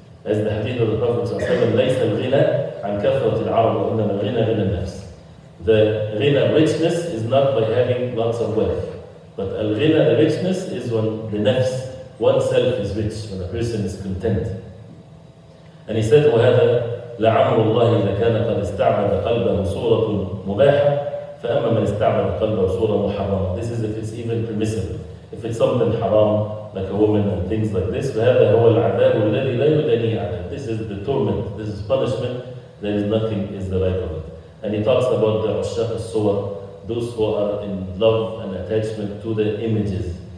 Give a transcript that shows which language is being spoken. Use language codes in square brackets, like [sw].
[en] As the hadith of the Prophet ﷺ, [ar] ليس الغنى عن كثرة العرب وإنما الغنى غنى النفس. [en] The غنى richness is not by having lots of wealth. But الغنى the richness is when the nafs, oneself is rich, when a person is content. And he said, [ar] وهذا لعمر الله إذا كان قد استعبد قلبه صورة مباحة فأما من استعبد قلبه صورة محرمة. [en] This is if it's even permissible. If it's something haram, like a woman and things like this, [ar] فَهَذَا هُوَ الْعَذَابُ الَّذِي لَا يُدَنِي عَذَابُ [en] This is the torment, this is punishment, there is nothing is the right of it. And he talks about the عُشَّاق الصُّور, those who are in love and attachment to the images.